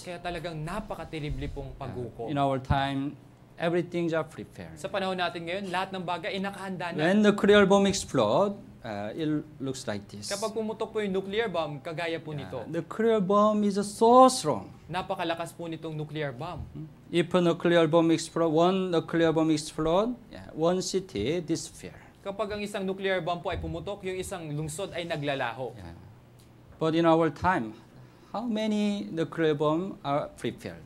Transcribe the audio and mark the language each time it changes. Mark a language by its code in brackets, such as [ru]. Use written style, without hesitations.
[tl] Kaya talagang napakatiribli pong paghukom. [en] In our time, everything's are prepared. [tl] Sa panahon natin ngayon, lahat ng bagay ay nakahanda na. [en] When the nuclear bomb explodes, it looks like this. [tl] Kapag pumutok po yung nuclear bomb, kagaya po nito. [en] The nuclear bomb is so strong. [tl] Napakalakas po nitong nuclear bomb. [en] If a nuclear bomb explodes, one nuclear bomb explodes, yeah, one city disappears. [tl] Kapag ang isang nuclear bomb po ay pumutok, yung isang lungsod ay naglalaho. [en] Yeah. But in our time, how many nuclear bomb are prepared?